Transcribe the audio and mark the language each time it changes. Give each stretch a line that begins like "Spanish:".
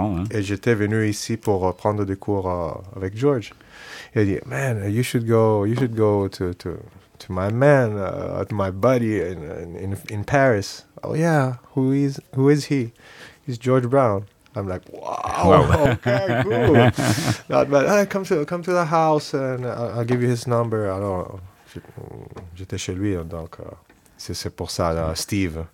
French: Et j'étais venu ici pour prendre des cours avec George. Il a dit,
English: man, you should go to my man, to my buddy in Paris. Oh yeah, who is he? He's George Brown. I'm like, wow. Okay, cool. Not bad. Hey, come to the house and I'll give you his number. I don't know.
French: J'étais chez lui, donc c'est pour ça, Steve.